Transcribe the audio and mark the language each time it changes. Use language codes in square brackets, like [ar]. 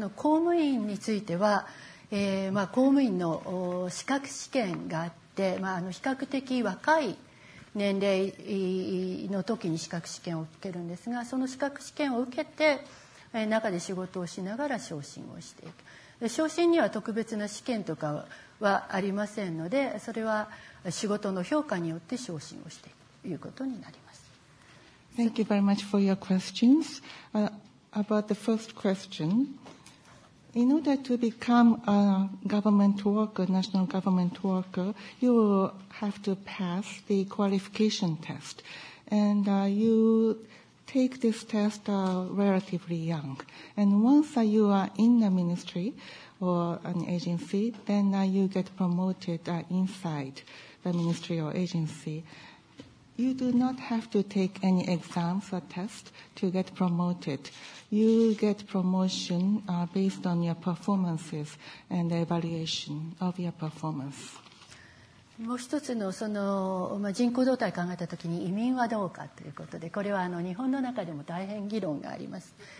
[ja] 公務員については、公務員の資格試験があって、比較的若い年齢の時に資格試験を受けるんですが、その資格試験を受けて、中で仕事をしながら昇進をしていく。昇進には特別な試験とかはありませんので、それは仕事の評価によって昇進をしていくということになります。 [en] Thank you very much for your questions. About the first question, in order to become a government worker, national government worker, you will have to pass the qualification test. And you take this test relatively young. And once you are in the ministry or an agency, then you get promoted inside the ministry or agency. You do not have to take any exams or tests to get promoted. You get promotion based on your performances and the evaluation of your performance. [ja] もう一つの、その、人口動態を考えたときに移民はどうかということで、これは日本の中でも大変議論があります。